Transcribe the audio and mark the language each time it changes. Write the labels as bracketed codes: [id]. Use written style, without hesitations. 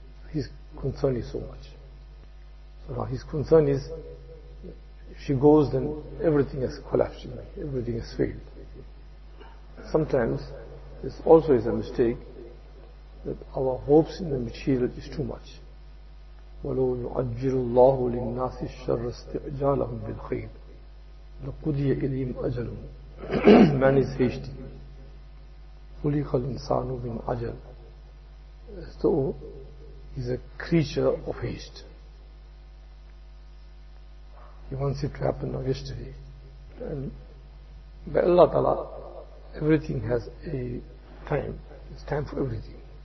[en] His concern is so much. So now his concern is, if she goes, then everything has collapsed, everything has failed. Sometimes, this also is a mistake, that our hopes in the material is too much. [ar] وَلَوْ يُعَجِّلُ اللَّهُ لِلنَّاسِ الشَّرَّ اسْتِعْجَالَهُمْ بِالْخَيْرِ لَقُدِيَ إِلِيمْ أَجَلٌ [en] Man is hasty. [ar] خُلِقَ الْإِنسَانُ مِنْ عَجَلٌ [en] As though he is a creature of haste. He wants it to happen now, yesterday. And by Allah Ta'ala, everything has a time. It's time for everything.